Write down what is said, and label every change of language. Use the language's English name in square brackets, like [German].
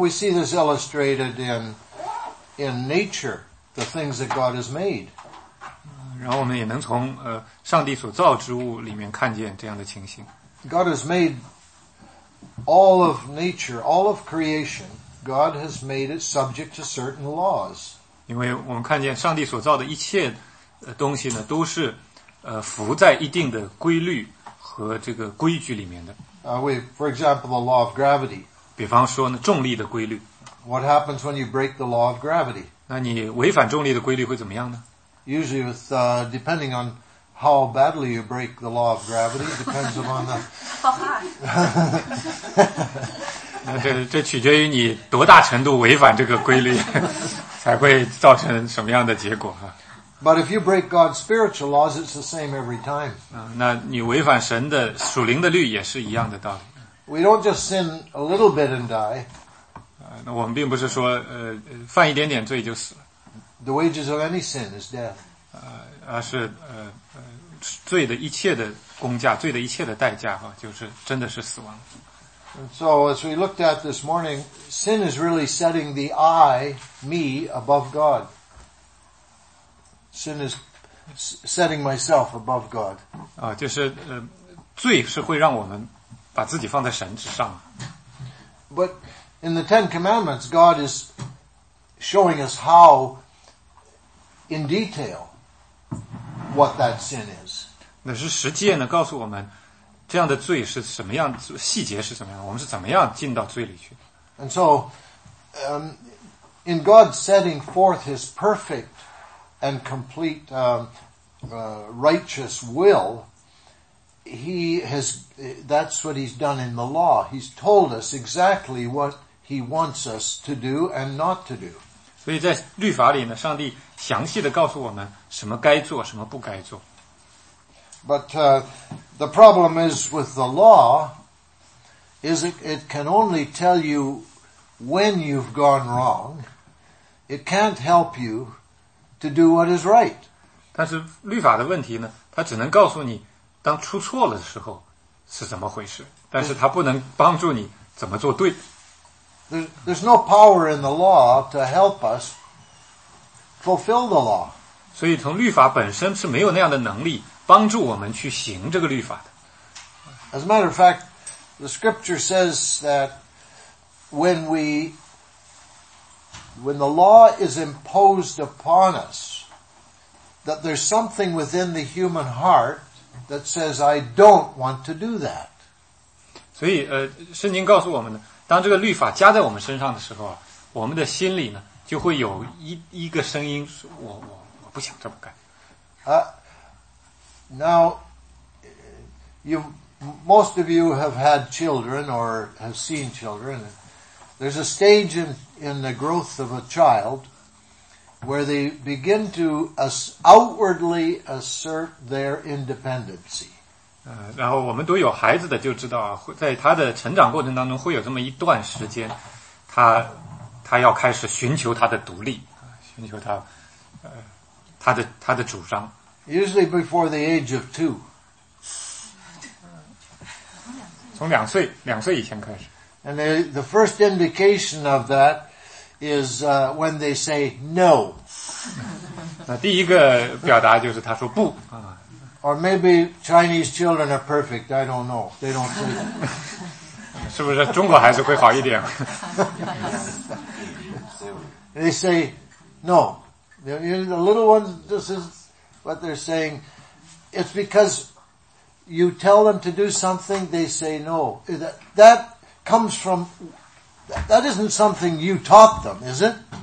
[English] We see this illustrated in nature, the things that God has made. [Chinese] 然后我们也能从上帝所造之物里面看见这样的情形。 [English] God has made all of nature, all of creation, God has made it subject to certain laws. [Chinese] 因为我们看见上帝所造的一切东西呢都是服在一定的规律和这个规矩里面的。 [English] For example, the law of gravity. [Chinese] 比方说呢重力的规律。 [English] What happens when you break the law of gravity? [Chinese] 那你违反重力的规律会怎么样呢？ [English] Usually with, depending on how badly you break the law of gravity, depends upon the... [Chinese] 那这取决于你多大程度违反这个规律才会造成什么样的结果啊。 [English] But if you break God's spiritual laws, it's the same every time. [Chinese] 那你违反神的属灵的律也是一样的道理。 [English] We don't just sin a little bit and die. [Chinese] 那我们并不是说犯一点点罪就死了。 [English] The wages of any sin is death. [Chinese] 而是罪的一切的工价罪的一切的代价哈就是真的是死亡。 [English] And so as we looked at this morning, sin is really setting the I, me, above God. Sin is setting myself above God. [Chinese] 就是罪是会让我们把自己放在神之上。 [English] But in the Ten Commandments, God is showing us how in detail, what that sin is. [Chinese] 那是十诫呢，告诉我们这样的罪是什么样，细节是什么样，我们是怎么样进到罪里去。 [English] And so, in God setting forth His perfect and complete righteous will, He has. That's what He's done in the law. He's told us exactly what He wants us to do and not to do. [Chinese] 所以在律法里呢，上帝详细的告诉我们什么该做，什么不该做。 [English] But the problem is with the law, is it can only tell you when you've gone wrong. It can't help you to do what is right. [Chinese] 但是律法的问题呢，它只能告诉你当出错了的时候是怎么回事，但是它不能帮助你怎么做对。 [English] There's no power in the law to help us fulfill the law. [Chinese] 所以从律法本身是没有那样的能力帮助我们去行这个律法的。 [English] As a matter of fact, the scripture says that when the law is imposed upon us, that there's something within the human heart that says, I don't want to do that. [Chinese] 所以圣经告诉我们呢当这个律法加在我们身上的时候我们的心里呢就会有一个声音我不想这么干。 [English] Now, most of you have had children or have seen children. There's a stage in the growth of a child where they begin to outwardly assert their independency. [Chinese] 然后我们都有孩子的就知道啊，在他的成长过程当中会有这么一段时间，他要开始寻求他的独立，寻求他的主张。 [English] Usually before the age of two. [Chinese] 从两岁以前开始。 [English] And the first indication of that is when they say no. [Chinese] 那第一个表达就是他说不啊。 [English] Or maybe Chinese children are perfect. I don't know. They don't say that. [Chinese] 是不是中国孩子会好一点？ [English] They say no. The little ones, this is what they're saying. It's because you tell them to do something, they say no. That comes from, that isn't something you taught them, is it?